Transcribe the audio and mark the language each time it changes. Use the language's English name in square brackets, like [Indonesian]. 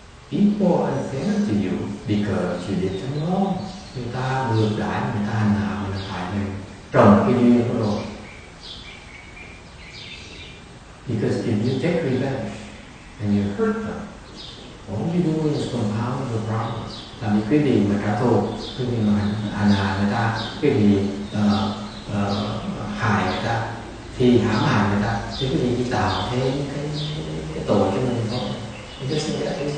[English] People are unfair to you because you did something wrong. [Vietnamese] Người ta ngược đãi, người ta hành hạ mình, hại mình trong cái duyên của rồi. [English] Because if you take revenge and you hurt them, all you do is compound the problem. [Vietnamese] Là vì cái gì mà trả thù, cái gì mà hành hạ người ta, cái gì hại người ta, thì hãm hại người ta, thì cái gì tạo thêm cái tội cho mình thôi.